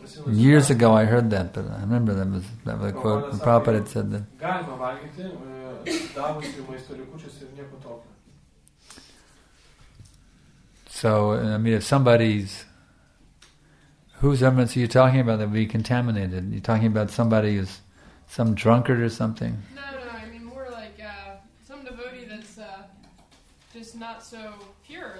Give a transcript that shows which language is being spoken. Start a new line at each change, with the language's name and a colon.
English: Years ago I heard that, but I remember that was a quote. Prabhupada had said that.
Lithuanian: Galima valgyti davusių maisto likučius ir nieko tokio.
English: So, I mean, if somebody's, whose remnants are you talking about that would be contaminated? You're talking about somebody who's some drunkard or something? No, I mean more like some devotee that's just not so pure.